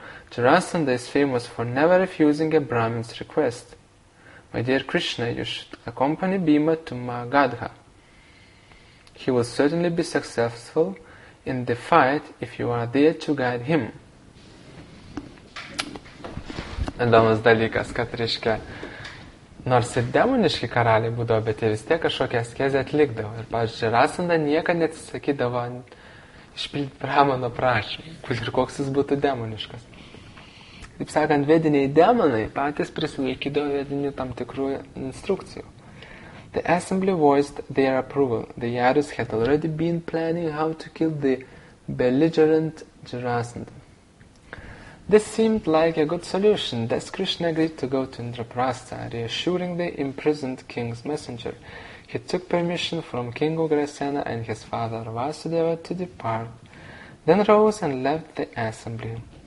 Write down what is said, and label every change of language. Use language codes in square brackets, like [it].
[en] Jarasandha is famous for never refusing a Brahmin's request. My dear Krishna, you should accompany Bhima to Magadha. He will certainly be successful in the fight if you are there to guide him. [lt] Įdomus dalykas, kad reiškia, nors ir demoniški karaliai būdavo, bet jie vis tiek kažkokią askezę atlikdavo. Ir, pavyzdžiui, Jarasandha niekad neatsisakydavo išpildyti Brahmano prašymą, kur ir koks jis būtų demoniškas. Taip sakant, vediniai demonai patys prisilaikydavo vedinių tam tikrų instrukcijų. [en] The assembly voiced their approval. The Yarus had already been planning how to kill the belligerent Jarasandha. This seemed like a good solution. Thus Krishna agreed to go to Indraprastha, reassuring the imprisoned king's messenger. He took permission from King Ugrasena and his father Vasudeva to depart, then rose and left the assembly.